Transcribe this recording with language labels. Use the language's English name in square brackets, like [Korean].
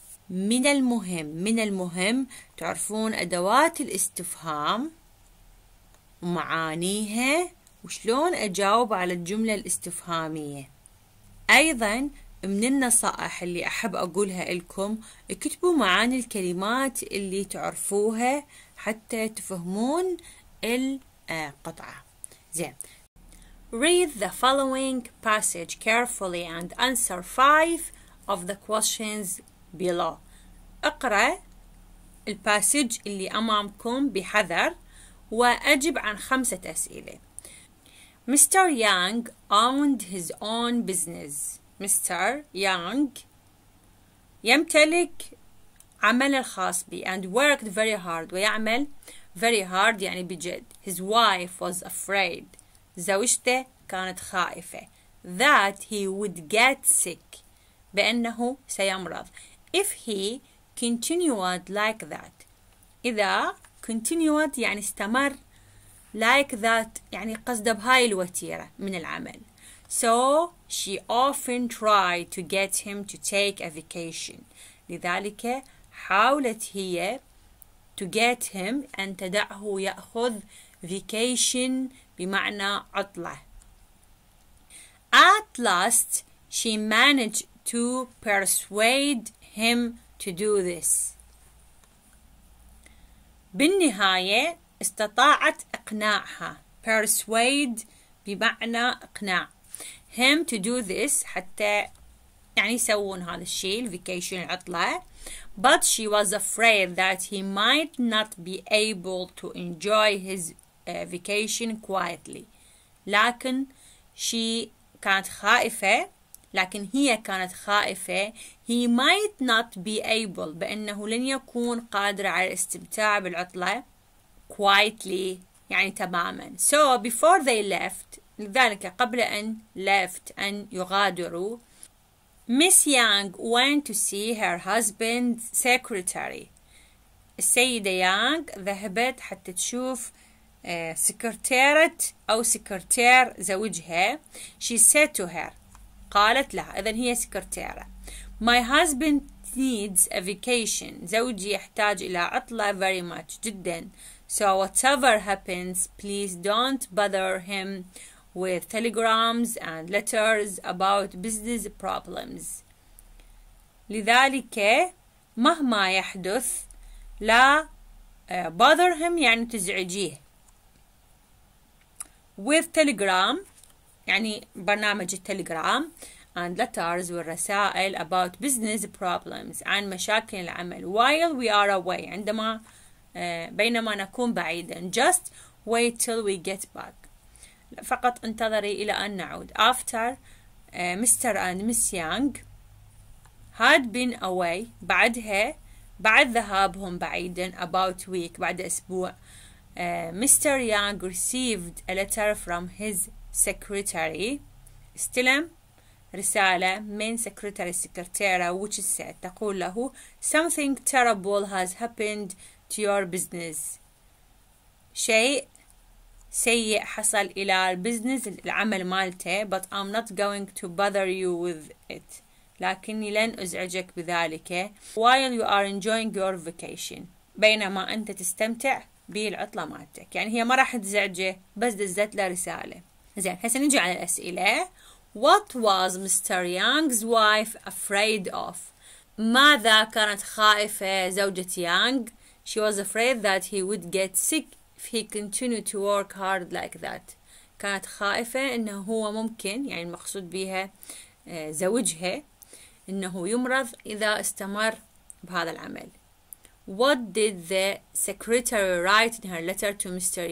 [Arabic] من المهم تعرفون أدوات الاستفهام ومعانيها وشلون أجاوب على الجملة الاستفهامية. أيضا من النصائح اللي أحب أقولها لكم، اكتبوا معاني الكلمات اللي تعرفوها حتى تفهمون القطعة. زين. [English] Read the following passage carefully and answer 5 of the questions below. [Arabic] اقرأ الباسج اللي أمامكم بحذر وأجب عن 5 أسئلة. [English] Mr. Yang owned his own business. Mr. Yang [Arabic] يمتلك عمل الخاص به [English] and worked very hard. [Arabic] ويعمل [English] very hard [Arabic] يعني بجد. [English] His wife was afraid. [Arabic] زوجته كانت خائفة. [English] That he would get sick. [Arabic] بأنه سيمرض. [English] If he continued like that. [Arabic] إذا [English] continued [Arabic] يعني استمر. [English] Like that [Arabic] يعني قصده بهاي الوتيرة من العمل. [English] So she often tried to get him to take a vacation. [Arabic] لذلك حاولت هي [English] to get him [Arabic] أن تدعه يأخذ vacation بمعنى عطلة. [English] At last she managed to persuade him to do this. [Arabic] بالنهاية استطاعت إقناعها. Persuade بمعنى إقناع. [English] Him to do this [Arabic] حتى يعني يسوون هذا الشيء vacation العطلة. [English] But she was afraid that he might not be able to enjoy his vacation quietly. [Arabic] لكن she كانت خائفة. لكن هي كانت خائفة [English] he might not be able [Arabic] بأنه لن يكون قادر على الاستمتاع بالعطلة quietly يعني تماما. [English] So before they left [Arabic] لذلك قبل أن [English] left [Arabic] أن يغادروا [English] Miss Yang went to see her husband's secretary. [Arabic] السيدة يانغ ذهبت حتى تشوف سكرتيرة أو سكرتير زوجها. [English] She said to her [Arabic] قالت لها إذن هي سكرتيرة. [English] My husband needs a vacation. [Arabic] زوجي يحتاج إلى عطلة [English] very much [Arabic] جدا. [English] So whatever happens please don't bother him with telegrams and letters about business problems. [Arabic] لذلك مهما يحدث لا [English] bother him [Arabic] يعني تزعجيه. [English] With telegram [Arabic] يعني برنامج التليجرام [English] and letters [Arabic] والرسائل [English] about business problems [Arabic] عن مشاكل العمل [English] while we are away [Arabic] عندما بينما نكون بعيدا. [English] Just wait till we get back. [Arabic] فقط انتظري إلى أن نعود. [English] After Mr. and Miss Yang had been away [Arabic] بعدها بعد ذهابهم بعيدا [English] about week [Arabic] بعد أسبوع [English] Mr. Yang received a letter from his secretary. [Arabic] استلم رسالة من [English] secretary سكرتيرة which said [Arabic] تقول له [English] something terrible has happened to your business. [Arabic] شيء سيء حصل إلى البزنس العمل مالته. [English] But I'm not going to bother you with it. [Arabic] لكني لن أزعجك بذلك. [English] While you are enjoying your vacation. [Arabic] بينما أنت تستمتع بالعطلة مالتك. يعني هي ما راح تزعجه بس دزت له رسالة. زين هسه نجي على الأسئلة. [English] What was Mr. Yang's wife afraid of? [Arabic] ماذا كانت خائفة زوجة يانغ؟ [English] She was afraid that he would get sick if he continued to work hard like that. [Arabic] كانت خائفة إنه هو ممكن يعني المقصود بها زوجها إنه يمرض إذا استمر بهذا العمل. [English] What did the secretary write in her letter to Mr.